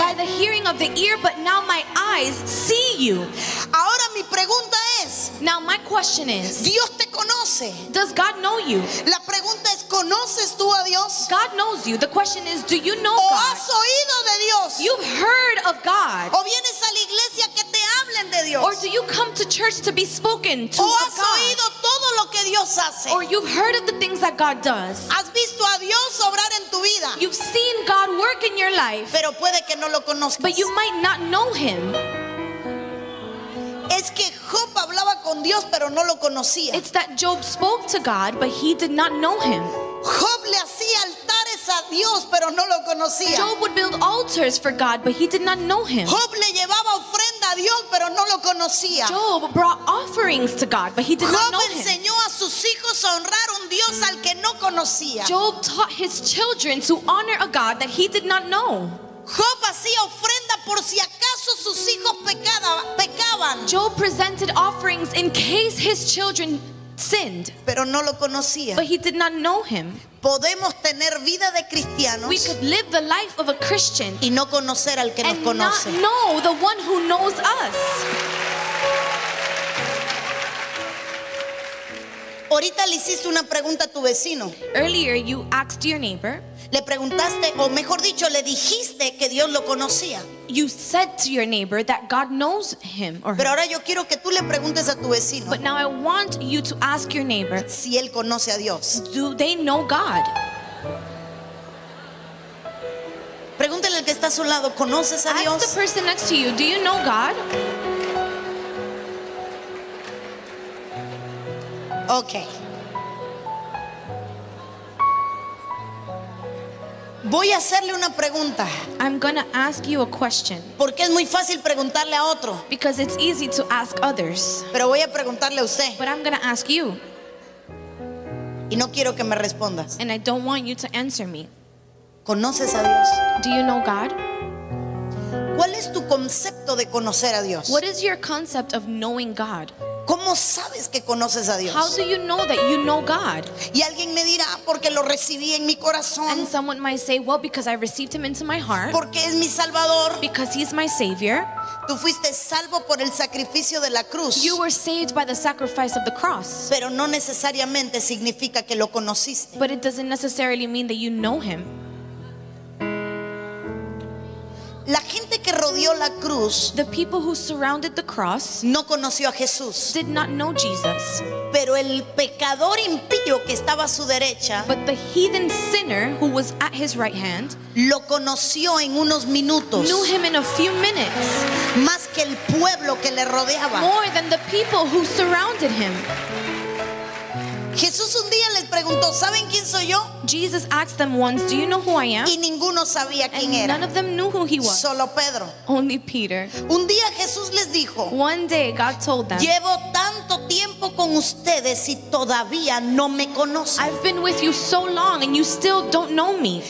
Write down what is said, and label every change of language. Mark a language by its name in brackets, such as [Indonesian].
[English] By the hearing of the ear, but now my eyes see you. [Spanish] Ahora mi pregunta es, [English] now my question is, [Spanish] Dios te conoce. [English] Does God know you? [Spanish] La pregunta es, ¿conoces tú a Dios? [English] God knows you. The question is, do you know God? [Spanish] Has oído de Dios? [English] You've heard of God. [Spanish] ¿O vienes a la iglesia que te hablen de Dios? [English] Or do you come to church to be spoken to [Spanish] ¿O has [English] God? [Spanish] Oído todo lo que Dios Dios hace. [English] Or you've heard of the things that God does. [Spanish] Has visto a Dios obrar en tu vida. [English] You've seen God work in your life. [Spanish] Pero puede que no lo conozcas. [English] But you might not know him. [Spanish] Es que Job hablaba con Dios, pero no lo conocía. [English] It's that Job spoke to God, but he did not know him. [Spanish] Job le hacía altares a Dios, pero no lo conocía. [English] Job would build altars for God, but he did not know him. [Spanish] Job le llevaba ofrenda a Dios, pero no lo conocía. [English] Job brought offerings to God, but he did Job not know him. [Spanish] Job enseñó a sus hijos a honrar un Dios al que no conocía. [English] Job taught his children to honor a God that he did not know. [Spanish] Job hacía ofrenda por si acaso sus hijos pecaban. [English] Job presented offerings in case his children sinned. [Spanish] Pero no lo conocía. [English] But he did not know him. [Spanish] Podemos tener vida de cristianos. [English] We could live the life of a Christian. [Spanish] Y no conocer al que nos conoce. [English] And not know the one who knows us. [Spanish] Ahorita le hiciste una pregunta a tu vecino. [English] Earlier you asked your neighbor. [Spanish] Le preguntaste, o mejor dicho, le dijiste que Dios lo conocía. [English] You said to your neighbor that God knows him or her. [Spanish] Pero ahora yo quiero que tú le preguntes a tu vecino. [English] But now I want you to ask your neighbor. [Spanish] Si él conoce a Dios. [English] Do they know God? [Spanish] Pregúntale al que está a su lado, ¿conoces a Dios? [English] Ask the person next to you, do you know God? Okay. [Spanish] Voy a hacerle una pregunta. [English] I'm going to ask you a question. [Spanish] Porque es muy fácil preguntarle a otro. [English] Because it's easy to ask others. [Spanish] Pero voy a preguntarle a usted. [English] But I'm going to ask you. [Spanish] Y no quiero que me respondas. [English] And I don't want you to answer me. [Spanish] ¿Conoces a Dios? [English] Do you know God? [Spanish] ¿Cuál es tu concepto de conocer a Dios? [English] What is your concept of knowing God? [Spanish] ¿Cómo sabes que conoces a Dios? [English] How do you know that you know God? [Spanish] Y alguien me dirá, porque lo recibí en mi corazón. [English] And someone might say, well, because I received him into my heart. [Spanish] Porque es mi Salvador. [English] Because he's my Savior. [Spanish] Tú fuiste salvo por el sacrificio de la cruz. [English] You were saved by the sacrifice of the cross. [Spanish] Pero no necesariamente significa que lo conociste. [English] But it doesn't necessarily mean that you know him. [Spanish] La gente que rodeó la cruz, [English] the people who surrounded the cross, [Spanish] no conoció a Jesús. [English] Did not know Jesus. [Spanish] Pero el pecador impío que estaba a su derecha, [English] but the heathen sinner who was at his right hand, [Spanish] lo conoció en unos minutos. [English] Knew him in a few minutes. [Spanish] Más que el pueblo que le rodeaba. [English] More than the people who surrounded him. [Spanish] Jesús un día les preguntó, ¿saben quién soy yo? [English] Jesus asked them once, do you know who I am? [Spanish] Y ninguno sabía quién era. [English] None of them knew who he was. [Spanish] Solo Pedro. [English] Only Peter. [Spanish] Un día Jesús les dijo, [English] one day God told them, [Spanish] llevo tanto tiempo con ustedes y todavía no me conocen. [English] I've been with you so long and you still don't know me.